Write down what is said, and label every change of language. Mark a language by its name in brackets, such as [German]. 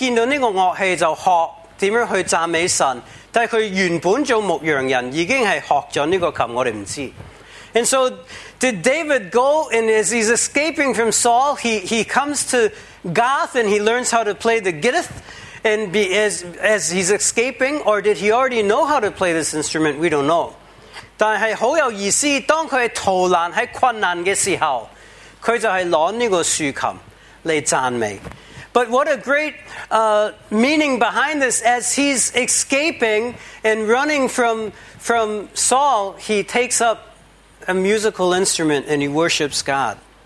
[Chinese] Saul追杀大卫，大卫去那里，是不是因为在那里躲起，就见到这个乐器，就学怎样去赞美神。但他原本做牧羊人已经是学了这个琴，我们不知道。 [English] And so did David go, and as he's escaping from Saul, he comes to Gath and he learns how to play the Gittith and be, as he's escaping, or did he already know how to play this instrument? We don't know. [Chinese] 但是很有意思，当他逃难在困难的时候，他就是拿这个竖琴来赞美。 [English] But what a great meaning behind this. As he's escaping and running from Saul, he takes up a musical instrument and he worships God.